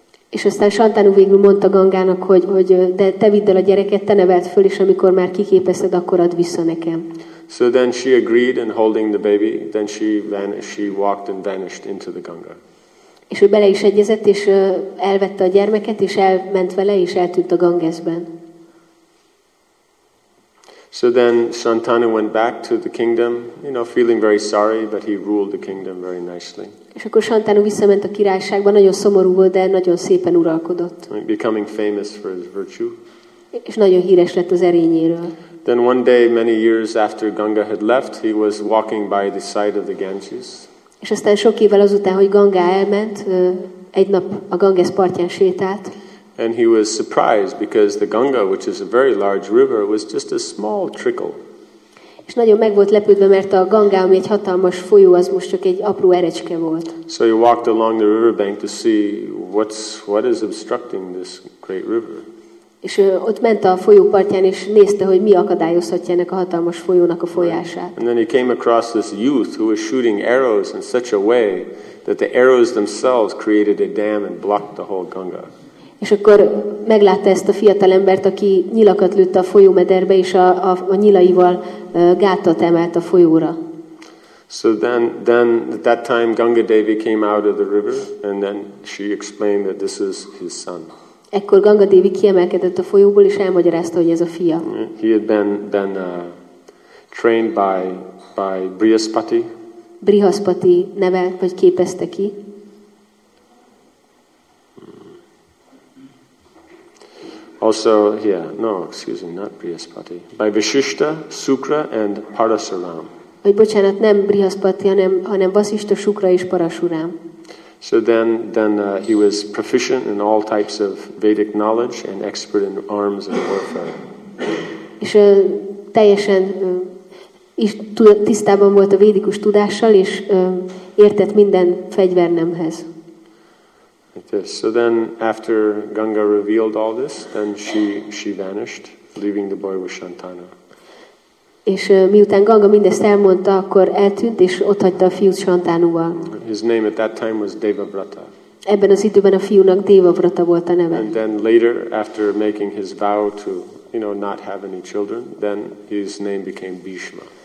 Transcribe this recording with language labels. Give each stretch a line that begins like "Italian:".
Hungarian: És aztán Shantanu végül mondta Gangának, hogy de te vidd el a gyereket, te neveld föl, és amikor már kiképezted, akkor add vissza nekem.
English: So then she agreed and holding the baby, then she walked and vanished into the Ganga.
Hungarian: És ő bele is egyezett, és elvette a gyermeket, és elment vele, és eltűnt a Gangesben.
English: So then Shantanu went back to the kingdom, you know, feeling very sorry, but he ruled the kingdom very nicely.
Hungarian: És akkor Shantanu visszament a királyságba, nagyon szomorú volt, de nagyon szépen uralkodott.
English: Becoming famous for his virtue.
Hungarian: És nagyon híres lett az erényéről.
English: Then one day, many years after Ganga had left, he was walking by the side of the Ganges.
Hungarian: És aztán sok évvel azután, hogy Ganga elment, egy nap a Ganges partján sétált.
English: And he was surprised because the Ganga, which is a very large river, was just a small trickle.
Hungarian: És nagyon meg volt lepődve, mert a Ganga, ami egy hatalmas folyó, az most csak egy apró erecske volt.
English: So he walked along the riverbank to see what is obstructing this great river.
Hungarian: És ott ment a folyópartján, és nézte, hogy mi akadályozhatja ennek a hatalmas folyónak a folyását.
English: And then he came across this youth who was shooting arrows in such a way that the arrows themselves created a dam and blocked the whole Ganga.
Hungarian: És akkor meglátta ezt a fiatalembert, aki nyilakat lőtt a folyómederbe, és a nyilaival gátat emelt a folyóra.
English: So then at that time Ganga Devi came out of the river, and then she explained that this is his son.
Hungarian: Ekkor Ganga Devi kiemelkedett a folyóból, és elmagyarázta, hogy ez a fia.
English: He had been trained by Brihaspati.
Hungarian: Brihaspati nevelt, vagy képezte ki.
English: Also, yeah, no, excuse me, not Brihaspati. By Vasishta, Sukra, and Parasuram.
Hungarian: Vagy bocsánat, nem Brihaspati, hanem Vasishta, Sukra és Parasuram.
English: So then he was proficient in all types of Vedic knowledge and expert in arms and warfare.
Hungarian: És teljesen is tisztában volt a védikus tudással, és értett minden fegyvernemhez.
English: So then after Ganga revealed all this, then she vanished, leaving the boy with Shantana.
Hungarian: És miután Ganga mindezt elmondta, akkor eltűnt, és ott hagyta a fiút Shantanuval.
English: His name at that time was Devavrata.
Hungarian: Ebben az időben a fiúnak Devavrata volt a neve.
English: And then later, after making his vow to, you know, not have any children, then his name became Bhishma.